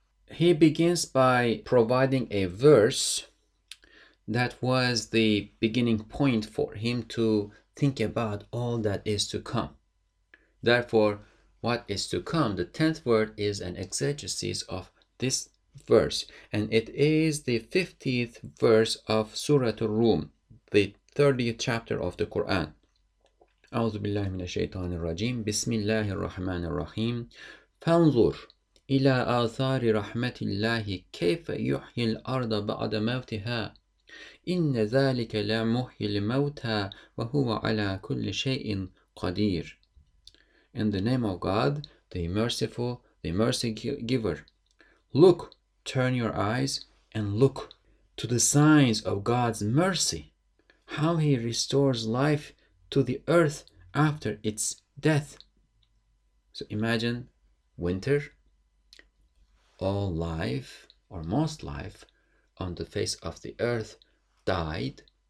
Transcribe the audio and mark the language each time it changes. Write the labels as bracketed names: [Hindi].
[English] He begins by providing a verse that was the beginning point for him to think about all that is to come. Therefore, what is to come? The 10th word is an exegesis of this verse, and it is the 50th verse of Surah Ar-Rum, the 30th chapter of the Quran. [Arabic] أعوذ بالله من الشيطان الرجيم بسم الله الرحمن الرحيم فانظر إلى آثار رحمة الله كيف يحيي الأرض بعد موتها إن ذلك لمحيي الموتى وهو على كل شيء قدير. [English] In the name of God, the merciful, the mercy giver. Look, turn your eyes and look to the signs of God's mercy, how he restores life to the earth after its death. So imagine winter, all life or most life on the face of the earth died.